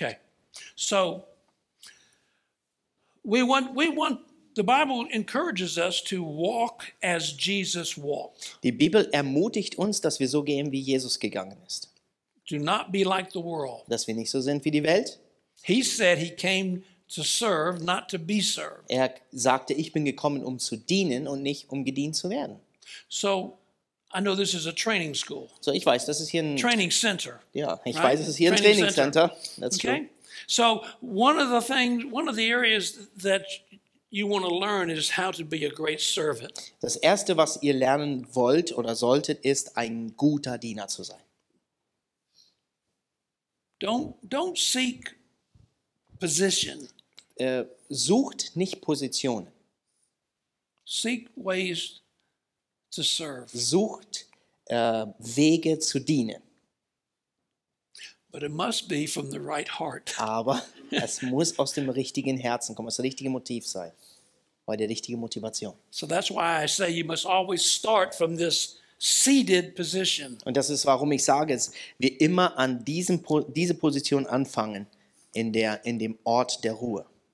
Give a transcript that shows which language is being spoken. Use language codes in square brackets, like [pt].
[en] Okay. So we want the Bible encourages us to walk as Jesus walked. [de] Die Bibel ermutigt uns, dass wir so gehen, wie Jesus gegangen ist. [en] Do not be like the world. [de] Dass wir nicht so sind wie die Welt. [en] He said he came to serve, not to be served. [de] Er sagte, ich bin gekommen, um zu dienen und nicht um gedient zu werden. [en] So I know this is a training school. [de] So ich weiß, das ist hier ein Training Center. Ja, ich [en] right? [de] weiß, es ist hier ein Training Center. [en] That's okay. True. So one of the areas that you want to learn is how to be a great servant. [de] Das erste, was ihr lernen wollt oder solltet, ist ein guter Diener zu sein. [en] Don't seek position. [de] Sucht nicht Positionen. [en] Seek ways to serve. [de] Sucht Wege zu dienen. [en] But it must be from the right heart. [de] Aber es muss aus dem richtigen Herzen kommen, aus dem richtigen Motiv sein, oder der richtigen Motivation. [en] So that's why I say you must always start from this seated position. [de] Und das ist, warum ich sage, dass wir immer an diese Position anfangen, in dem Ort der Ruhe.